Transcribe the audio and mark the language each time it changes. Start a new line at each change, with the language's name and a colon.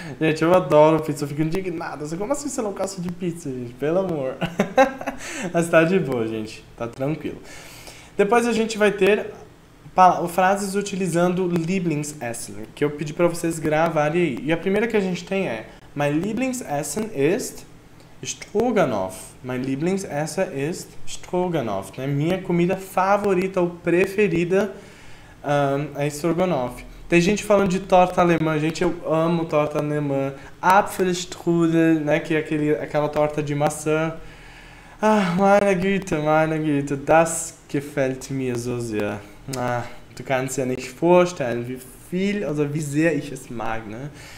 Portuguese: Gente, eu adoro pizza, eu fico indignado. Como assim você não gosta de pizza, gente? Pelo amor. Mas tá de boa, gente. Tá tranquilo. Depois a gente vai ter frases utilizando Lieblingsessen, que eu pedi pra vocês gravarem aí. E a primeira que a gente tem é
German: My Lieblingsessen ist Stroganoff. My Lieblingsessen ist Stroganoff.
Portuguese: Né? Minha comida favorita ou preferida é Strogonoff. Tem gente falando de torta alemã. Gente, eu amo torta alemã. Apfelstrudel, né? Que é aquela torta de maçã.
German: Ah, meine Güte, das gefällt mir so sehr. Ah, du kannst ja nicht vorstellen, wie viel, also wie sehr ich es mag, ne?